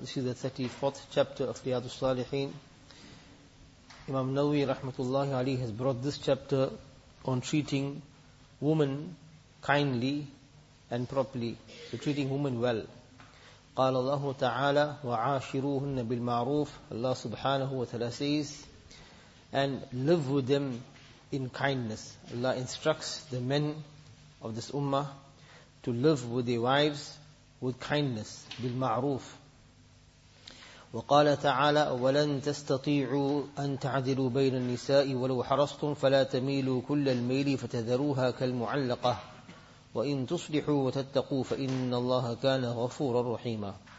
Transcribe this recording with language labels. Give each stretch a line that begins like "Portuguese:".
English: This is the 34th chapter of Riyadu Salihin. Imam Nawawi rahmatullahi alayhi has brought this chapter on treating women kindly and properly, so treating women well.
Arabic: قال الله تعالى وعاشروهن بالمعروف.
English: Allah subhanahu wa ta'ala says, and live with them in kindness. Allah instructs the men of this ummah to live with their wives with kindness, bil ma'roof.
Arabic: وَقَالَ تَعَالَى وَلَن تَسْتَطِيعُوا أَن تَعْدِلُوا بَيْنَ النِّسَاءِ وَلَوْ حَرَصْتُمْ فَلَا تَمِيلُوا كُلَّ الْمَيْلِ فَتَذَرُوهَا كَالْمُعَلَّقَةِ وَإِن تُصْلِحُوا وَتَتَّقُوا فَإِنَّ اللَّهَ كَانَ غَفُورًا رَحِيمًا.